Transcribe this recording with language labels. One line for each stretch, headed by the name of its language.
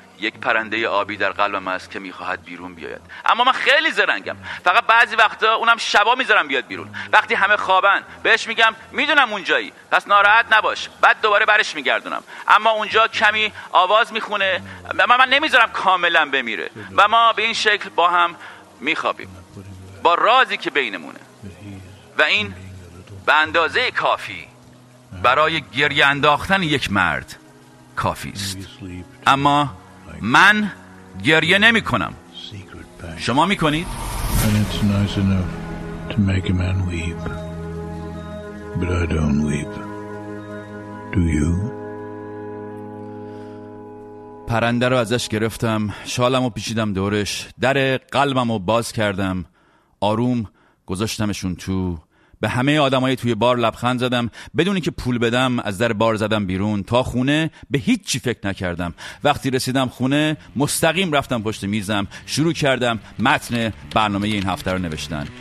Persian: یک پرنده آبی در قلبم است که میخواهد بیرون بیاید، اما من خیلی زرنگم، فقط بعضی وقتا اونم شبا میذارم بیاد بیرون، وقتی همه خوابن بهش میگم میدونم اونجایی، پس ناراحت نباش، بعد دوباره برش میگردونم، اما اونجا کمی آواز میخونه، من نمیذارم کاملا بمیره و ما به این شکل با هم میخوابیم با رازی که بینمونه و این به اندازه کافی برای گریه انداختن یک مرد کافی است. اما من گریه نمی کنم، شما می کنید؟
English: And it's nice enough to make a man weep, but I don't weep. Do you?
Persian: پرنده رو ازش گرفتم، شالمو پیچیدم دورش، در قلبمو باز کردم، آروم گذاشتمشون تو، به همه آدمای توی بار لبخند زدم، بدون اینکه پول بدم از در بار زدم بیرون. تا خونه به هیچ چی فکر نکردم. وقتی رسیدم خونه مستقیم رفتم پشت میزم، شروع کردم متن برنامه این هفته رو نوشتن.